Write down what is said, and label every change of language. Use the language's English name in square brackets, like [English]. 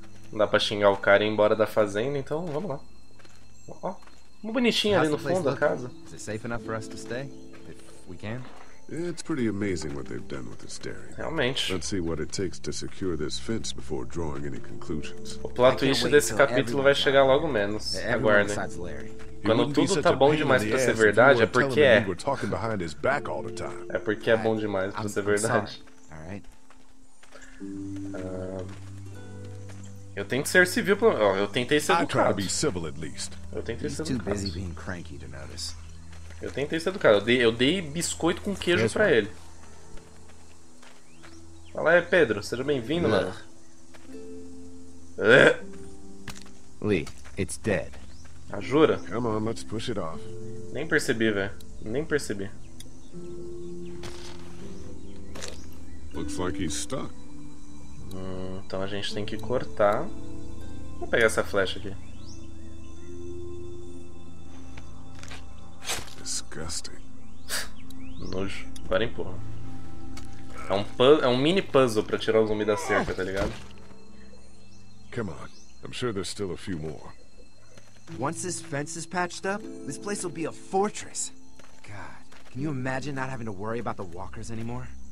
[Portuguese] Não dá pra xingar o cara e ir embora da fazenda, então vamos lá. Ó, oh, uma bonitinha ali no fundo da casa. [English] Is it safe enough for us to stay? If we can? It's pretty amazing what they've done with this dairy. [Portuguese] Realmente. [English] Let's see what it takes to secure this fence before drawing any conclusions. [Portuguese] O plot twist desse capítulo vai chegar logo menos. Aguardem. Quando tudo tá bom demais pra ser verdade, é porque é. [English] We're talking behind his back all the time. [Portuguese] É porque é bom demais pra ser verdade. [English] All right. [Portuguese] Eu tenho que ser civil, pelo menos. Eu tentei ser educado. [English] To be civil, at least. [Portuguese] Eu tentei [English] He's [Portuguese] ser educado. [English] Too busy being cranky to notice. [Portuguese] Eu tentei ser educado. Eu dei biscoito com queijo pra ele. Fala aí, Pedro. Seja bem-vindo, mano. [English] Lee, it's dead. [Portuguese] Ah, jura? [English] Come on, let's push it off. [Portuguese] Nem percebi, velho. Nem percebi. [English] Looks like he's stuck. [Portuguese] Então a gente tem que cortar. Vou pegar essa flecha aqui. [English] Disgusting. [Portuguese] Nojo. Agora empurra. É um mini puzzle pra tirar o zumbi da cerca, tá ligado? [English] Come on. I'm sure there's still a few more. Once this fence is patched up, this place will be a fortress. God, can you imagine not having to worry about the walkers anymore?